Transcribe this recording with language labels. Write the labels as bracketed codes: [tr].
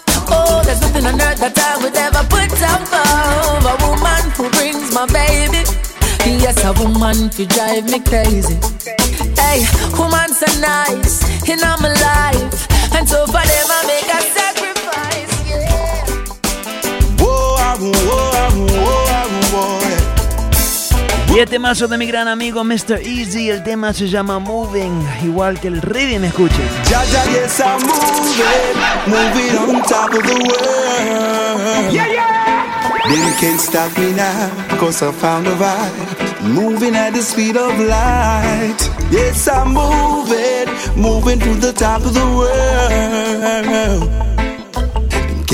[en] Oh, there's nothing on earth that I would ever put above. A woman who brings my baby. Yes, a woman to drive me crazy. Hey, woman so nice in all my life. And so for them I make a sacrifice, yeah. Whoa, whoa, whoa, whoa. [es] Y este mazo de mi gran amigo Mr. Easy, el tema se llama Moving, igual que el rhythm, escuchen. [en] Ya, ya, yes, I'm moving, moving on top of the world. Yeah, yeah! They can't stop me now, cause I found a vibe. Moving at the speed of light. Yes, I'm moving, moving to the top of the world.